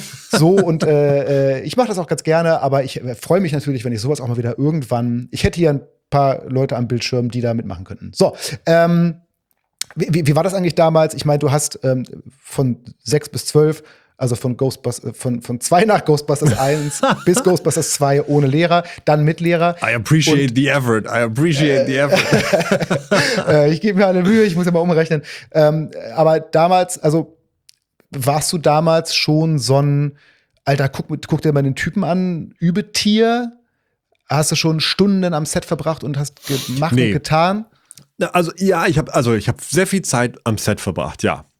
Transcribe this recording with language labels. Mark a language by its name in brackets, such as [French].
[German] So, und ich mache das auch ganz gerne, aber ich freue mich natürlich, wenn ich sowas auch mal wieder irgendwann, ich hätte hier ein paar Leute am Bildschirm, die da mitmachen könnten. So, wie war das eigentlich damals? Ich meine, du hast von 6 bis 12, also von 2 nach Ghostbusters 1 bis Ghostbusters 2 ohne Lehrer, dann mit Lehrer. [English] I appreciate the effort. [German] Ich gebe mir alle Mühe, ich muss ja mal umrechnen. Aber damals, also warst du damals schon so ein, Alter, guck dir mal den Typen an, Übetier? Hast du schon Stunden am Set verbracht und hast gemacht und getan? Also ja, ich hab sehr viel Zeit am Set verbracht, ja.